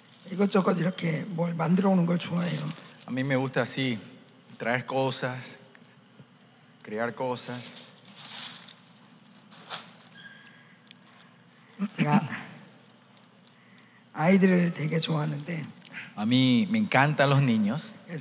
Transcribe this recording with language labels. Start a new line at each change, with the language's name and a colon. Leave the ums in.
Korean: 이것저것 이렇게 뭘 만들어 오는 걸 좋아해요.
Spanish: 아, mí me gusta así traer cosas, crear cosas.
Korean: 제가 아이들을 되게 좋아하는데
Spanish: A mí me encantan los niños.